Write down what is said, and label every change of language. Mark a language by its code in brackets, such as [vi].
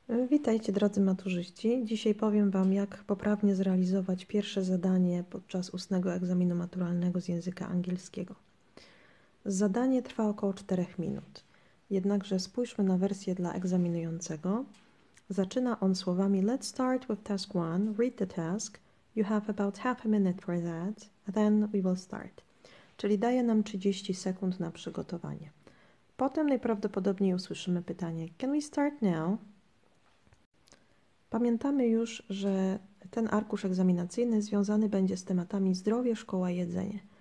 [pl] Witajcie, drodzy maturzyści. Dzisiaj powiem Wam, jak poprawnie zrealizować pierwsze zadanie podczas ustnego egzaminu maturalnego z języka angielskiego. Zadanie trwa około 4 minut. Jednakże spójrzmy na wersję dla egzaminującego. Zaczyna on słowami: [en] Let's start with task one. Read the task. You have about half a minute for that. Then we will start. [pl] Czyli daje nam 30 sekund na przygotowanie. Potem najprawdopodobniej usłyszymy pytanie: [en] Can we start now? [pl] Pamiętamy już, że ten arkusz egzaminacyjny związany będzie z tematami zdrowie, szkoła, jedzenie.